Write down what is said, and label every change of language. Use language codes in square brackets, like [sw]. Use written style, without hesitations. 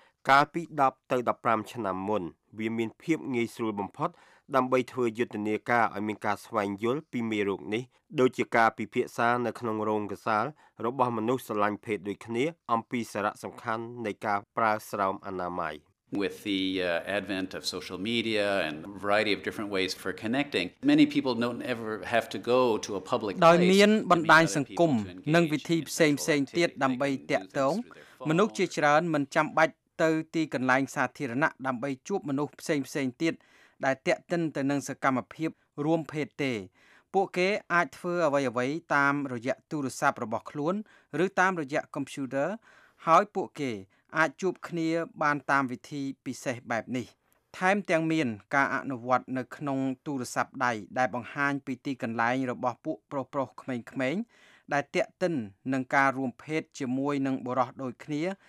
[km] កាលពី10ទៅ15ឆ្នាំមុនវាមានភាពងាយស្រួលបំផុតដើម្បីធ្វើយុទ្ធនាការឲ្យមានការស្វែងយល់ពីមេរោគនេះដូចជាការពិភាក្សានៅក្នុងរោងកសាលរបស់មនុស្សស្រឡាញ់ភេទដូចគ្នាអំពីសារៈសំខាន់នៃការប្រើស្រោមអនាម័យ [en] With the advent of social media and a variety of different ways for connecting, many people don't ever have to go to a public place. [km] ដោយមានបណ្ដាញសង្គមនិងវិធីផ្សេងៗទៀតដើម្បីទាក់ទងមនុស្សជាច្រើនមិនចាំបាច់ទៅទីកន្លែងសាធារណៈដើម្បីជួបមនុស្សផ្សេងៗទៀតដែលតាក់ទិនទៅនឹងសកម្មភាពរួមភេទទេ ពួកគេអាចធ្វើអ្វីៗតាមរយៈទូរស័ព្ទរបស់ខ្លួនឬតាមរយៈកុំព្យូទ័រហើយពួកគេអាចជួបគ្នាបានតាមវិធីពិសេសបែបនេះថែមទាំងមានការអនុវត្តនៅក្នុងទូរស័ព្ទដៃដែលបង្ហាញពីទីកន្លែងរបស់ពួកប្រុសប្រុសក្មេងៗដែលតាក់ទិននឹងការរួមភេទជាមួយនឹងបុរសដូចគ្នា